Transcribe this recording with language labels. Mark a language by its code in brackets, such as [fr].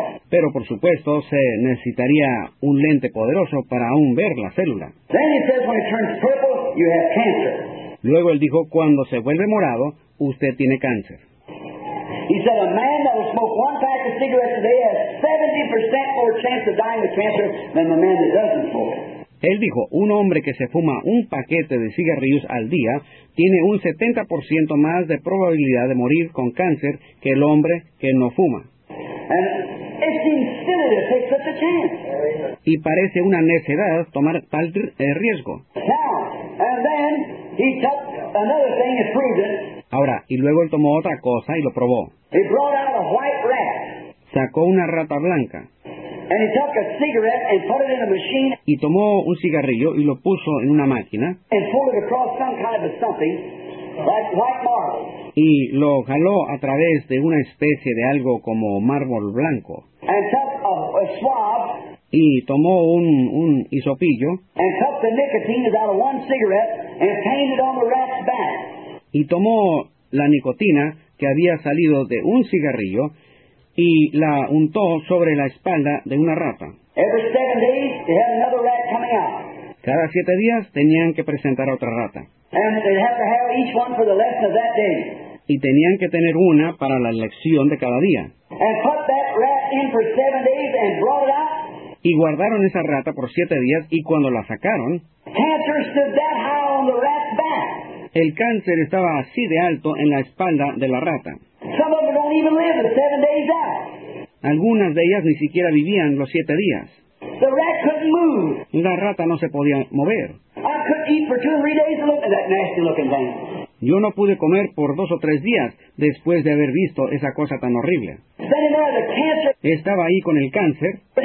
[es] Pero por supuesto se necesitaría un lente poderoso para aún ver la célula. [en] Then he says when it turns purple, you have cancer. [es] Luego él dijo, cuando se vuelve morado, usted tiene cáncer. [en] He said a man that will smoke one pack of cigarettes a day has 70% more chance of dying of cancer than the man that doesn't smoke. [es] Él dijo, un hombre que se fuma un paquete de cigarrillos al día tiene un 70% más de probabilidad de morir con cáncer que el hombre que no fuma. [en] And it seems silly to take such a chance. [es] Y parece una necedad tomar tal riesgo. [en] Now, and then he took another thing and proved it. [es] Ahora, y luego él tomó otra cosa y lo probó. [en] He brought out a white rat. [es] Sacó una rata blanca. [en] And he took a cigarette and put it in a machine. [es] Y tomó un cigarrillo y lo puso en una máquina. [en] And pulled it across some kind of something, like white marble. [es] Y lo jaló a través de una especie de algo como mármol blanco. [en] And took a swab. [es] Y tomó un hisopillo. [en] And took the nicotine out of one cigarette and painted it on the rat's back. [es] Y tomó la nicotina que había salido de un cigarrillo y la untó sobre la espalda de una rata. [en] Every 7 days, they had another rat coming out. [es] Cada 7 días tenían que presentar a otra rata. [en] And they had to have each one for the lesson of that day. [es] Y tenían que tener una para la lección de cada día. [en] And put that rat in for 7 days and brought it out. [es] Y guardaron esa rata por 7 días y cuando la sacaron, [en] cancer stood that high on the rat's back. [es] El cáncer estaba así de alto en la espalda de la rata. [en] Some of them don't even live the 7 days out. [es] Algunas de ellas ni siquiera vivían los 7 días. [en] The rat couldn't move. [es] La rata no se podía mover. [en] I couldn't eat for 2 or 3 days and look at that nasty looking thing. [es] Yo no pude comer por 2 o 3 días después de haber visto esa cosa tan horrible. Estaba ahí con el cáncer.